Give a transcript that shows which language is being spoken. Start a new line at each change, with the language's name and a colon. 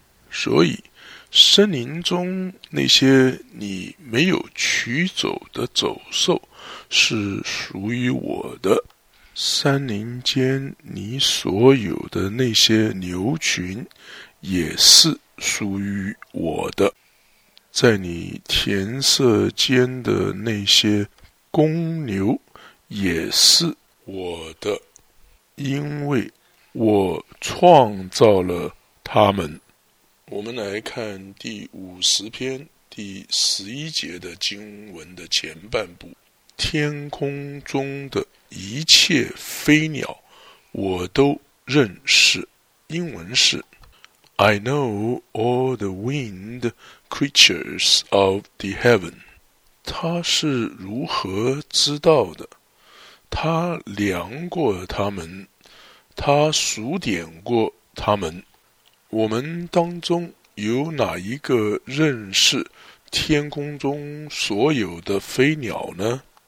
Chinese: 所以森林中那些你没有取走的走兽是属于我的，山林间你所有的那些牛群也是属于我的，在你田舍间的那些公牛也是我的，因为我创造了他们。我们来看第50篇第11节的经文的前半部。天空中的一切飞鸟我都认识，英文是
English: I know all the winged creatures of the heaven。
Chinese: 他是如何知道的？他量过他们，他数点过他们。我们当中有哪一个认识天空中所有的飞鸟呢？